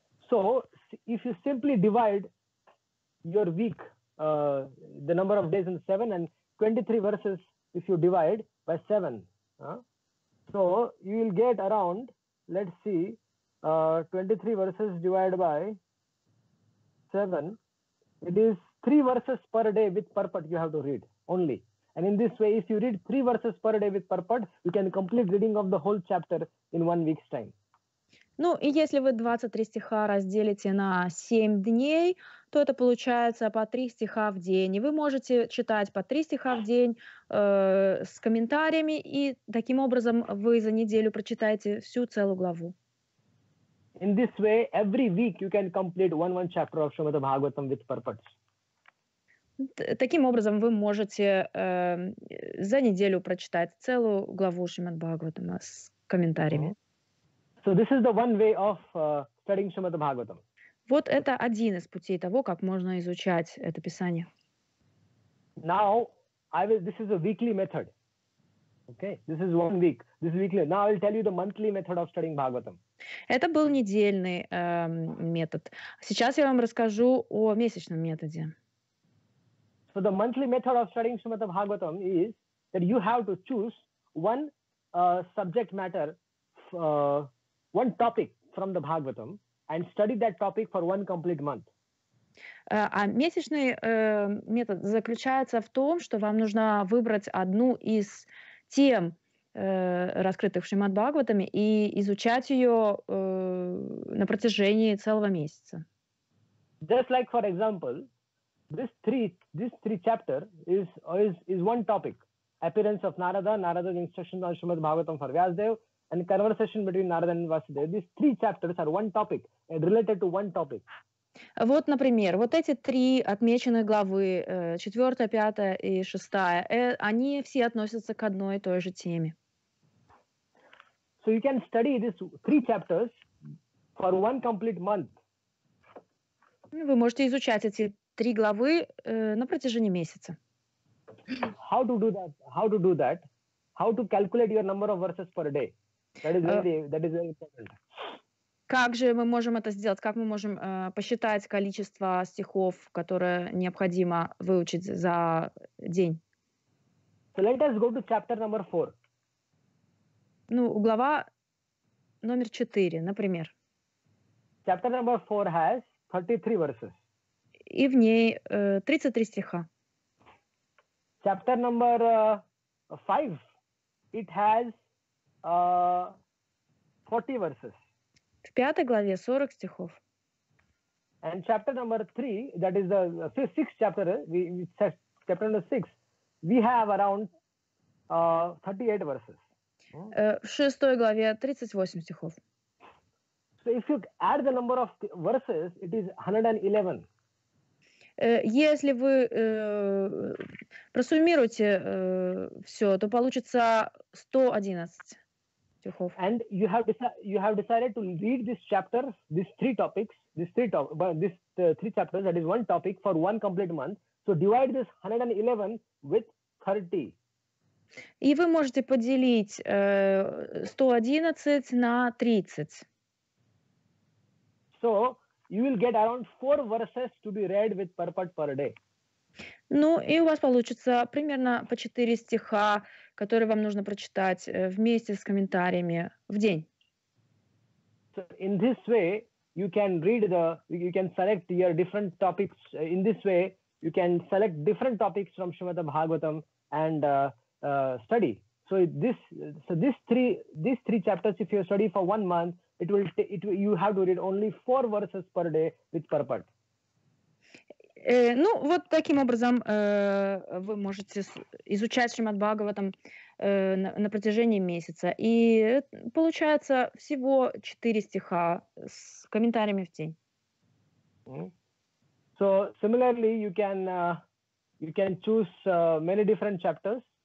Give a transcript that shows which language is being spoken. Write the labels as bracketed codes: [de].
[en] So, if you simply divide your week, the number of days in 7 and 23 verses, if you divide by 7, so you will get around, let's see, 23 verses divided by 7, it is 3 verses per day with purport you have to read only. And in this way, if you read 3 verses per day with purport, you can complete reading of the whole chapter in 1 week's time. [ru] Ну, и если вы 23 стиха разделите на 7 дней, то это получается по 3 стиха в день. И вы можете читать по 3 стиха в день с комментариями, и таким образом вы за неделю прочитаете всю целую главу. [en] In this way, every week you can complete one chapter of Shrimad Bhagavatam with purports. [ru] Таким образом вы можете за неделю прочитать целую главу Шримад Бхагаватама с комментариями. [en] So this is the one way of studying Shrimad Bhagavatam. [ru] Вот это один из путей того, как можно изучать это писание. [en] Now I will. This is a weekly method. Okay. This is 1 week. This is weekly. Now I will tell you the monthly method of studying Bhagavatam. [ru] Это был недельный метод. Сейчас я вам расскажу о месячном методе. [en] So the monthly method of studying Shrimad Bhagavatam is that you have to choose one subject matter. One topic from the Bhagavatam and study that topic for 1 complete month. [ru] А месячный метод заключается в том, что вам нужно выбрать одну из тем, раскрытых в Шримад-Бхагаватаме, и изучать ее на протяжении целого месяца. [en] Just like, for example, this three chapter is one topic. Appearance of Narada, Narada's instructions on Shrimad-Bhagavatam for Vyasadeva, and conversation between Narada and Vasudeva. These three chapters are one topic, related to one topic. [ru] Вот, например, вот эти три отмеченные главы, 4, 5 и 6, они все относятся к одной и той же теме. [en] So you can study these three chapters for 1 complete month. [ru] Вы можете изучать эти три главы на протяжении месяца. [en] How to do that? How to do that? How to calculate your number of verses per day? That is really important. [ru] как же мы можем это сделать? Как мы можем посчитать количество стихов, которые необходимо выучить за день? [en] So let us go to chapter number 4. [ru] Ну, глава номер 4, например. [en] Chapter number 4 has 33 verses. [ru] И в ней 33 стиха. [en] Chapter number 5, it has 40 verses. [ru] В пятой главе 40 стихов. [en] And chapter number 3, that is the sixth chapter, chapter number 6, we have around 38 verses. [ru] В шестой главе 38 стихов. [en] So if you add the number of verses, it is 111. [ru] Если вы просуммируете все, то получится 111 стихов. [en] And you have decided to read this chapter, these three chapters, that is one topic for one complete month. So divide this 111 with 30. [ru] И вы можете поделить 111 на 30. [en] So you will get around 4 verses to be read with purport per day. [ru] Ну, и у вас получится примерно по 4 стиха, которые вам нужно прочитать вместе с комментариями в день. [en] So in this way you can read the you can select your different topics in this way you can select different topics from Shrimata Bhagavatam and study. So these three chapters, if you study for one month, you have to read only 4 verses per day with purport. [ru] Ну вот таким образом вы можете изучать Шримад Бхагаватам на протяжении месяца, и получается всего 4 стиха с комментариями в день. [en] So similarly, you can choose many different chapters.